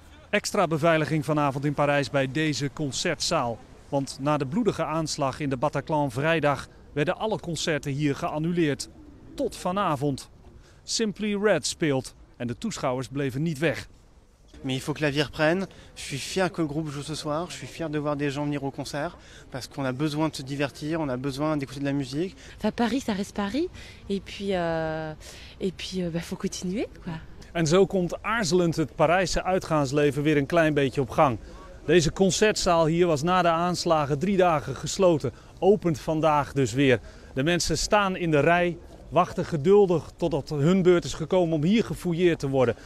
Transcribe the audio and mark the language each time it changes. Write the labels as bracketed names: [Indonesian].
[Dutch] Extra beveiliging vanavond in Parijs bij deze concertzaal. Want na de bloedige aanslag in de Bataclan vrijdag werden alle concerten hier geannuleerd. Tot vanavond. Simply Red speelt en de toeschouwers bleven niet weg. Maar [French] il faut que la vie reprenne. Je suis fier que le groupe joue ce soir. Je suis fier de voir des gens venir au concert. Parce qu'on a besoin de se divertir, on a besoin d'écouter de la musique. Enfin, Paris, ça reste Paris. Et puis, faut continuer, quoi. [Dutch] En zo komt aarzelend het Parijse uitgaansleven weer een klein beetje op gang. Deze concertzaal hier was na de aanslagen 3 dagen gesloten. Opent vandaag dus weer. De mensen staan in de rij, wachten geduldig totdat hun beurt is gekomen om hier gefouilleerd te worden.